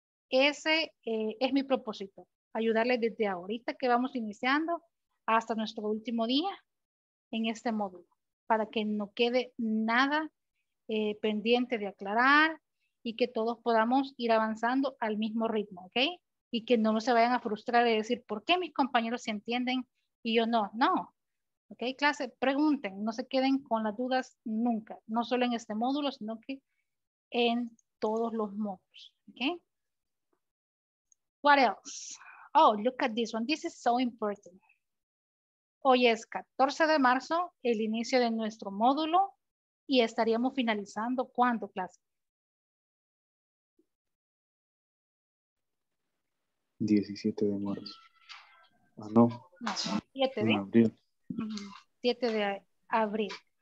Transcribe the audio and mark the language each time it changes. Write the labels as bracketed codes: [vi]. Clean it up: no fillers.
[es] Ese es mi propósito, ayudarles desde ahorita que vamos iniciando hasta nuestro último día en este módulo, para que no quede nada pendiente de aclarar y que todos podamos ir avanzando al mismo ritmo, ¿ok? Y que no se vayan a frustrar y decir, ¿por qué mis compañeros se entienden y yo no? No, ¿ok? Clase, pregunten, no se queden con las dudas nunca, no solo en este módulo, sino que en todos los módulos, ¿ok? [en] What else? Oh, look at this one, this is so important. [es] Hoy es 14 de marzo, el inicio de nuestro módulo y estaríamos finalizando, ¿cuándo, clase? 17 de marzo. No. 7 de abril.